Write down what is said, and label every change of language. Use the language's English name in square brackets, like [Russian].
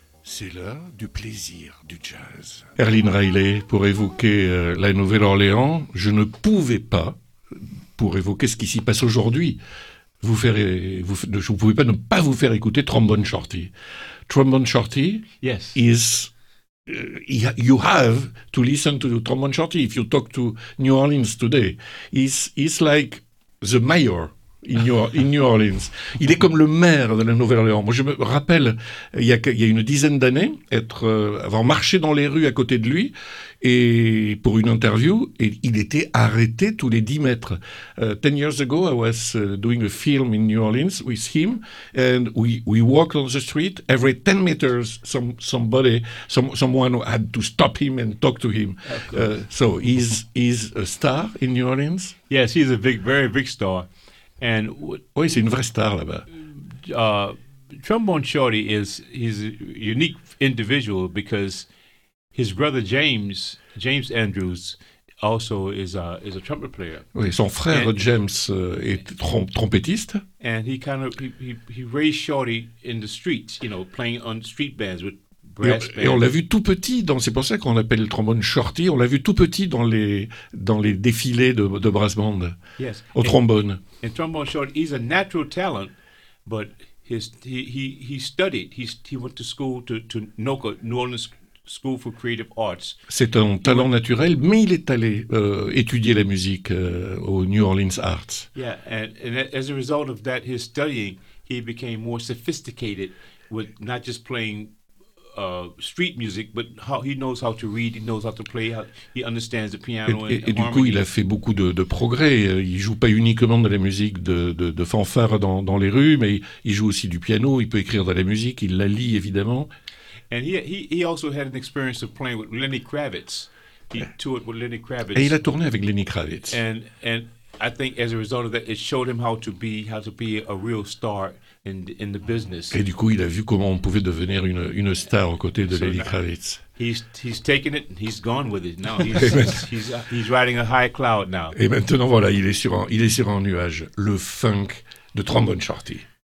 [French] C'est l'heure du plaisir du jazz. Erlin Riley, pour évoquer la Nouvelle-Orléans, je ne pouvais pas, pour évoquer ce qui s'y passe aujourd'hui, je ne pouvais pas ne pas vous faire écouter Trombone Shorty. Trombone Shorty, [English] yes. Is... you have to listen to Trombone Shorty if you talk to New Orleans today. He's like the mayor in New Orleans. [French] Il est comme le maire de la Nouvelle-Orléans. Moi, je me rappelle, il y a une dizaine d'années, avoir marché dans les rues à côté de lui et pour une interview, et il était arrêté tous les 10 mètres. [English] 10 years ago, I was doing a film in New Orleans with him, and we walked on the street. Every 10 meters, someone had to stop him and talk to him. So he's a star in New Orleans? Yes, he's a big, very big star. And [French] oui, c'est une vraie star là-bas. [English] Trombone Shorty is a unique individual because his brother James Andrews also is a trumpet player. [French] Oui, son frère James est trompettiste. [English] And he kind of he raised Shorty in the streets, you know, playing on street bands with brass bands. [French] Et on l'a vu tout petit c'est pour ça qu'on l'appelle le trombone Shorty. On l'a vu tout petit dans les défilés de brass band. [English] Yes. [French] Au trombone. [English] And Trombone Shorty, he's a natural talent, but he studied. He went to school to NOCA, New Orleans School for Creative Arts. [French] C'est un talent naturel, mais il est allé étudier la musique au New Orleans Arts. [English] Yeah, and as a result of that, his studying, he became more sophisticated with not just playing street music, but how he knows how to read, he knows how to play, he understands the piano. [French] Et du coup, il a fait beaucoup de progrès. Il joue pas uniquement de la musique de fanfare dans les rues, mais il joue aussi du piano. Il peut écrire de la musique. Il la lit évidemment. [English] And he also had an experience of playing with Lenny Kravitz. He toured with Lenny Kravitz. [French] Et il a tourné avec Lenny Kravitz. [English] And I think as a result of that, it showed him how to be a real star. In the business. [French] Et du coup, il a vu comment on pouvait devenir une star aux côtés de Lenny Kravitz. [English] He's taken it and he's gone with it. Now he's riding a high cloud now. [French] Et maintenant, voilà, il est sur un nuage. Le funk de Trombone Shorty.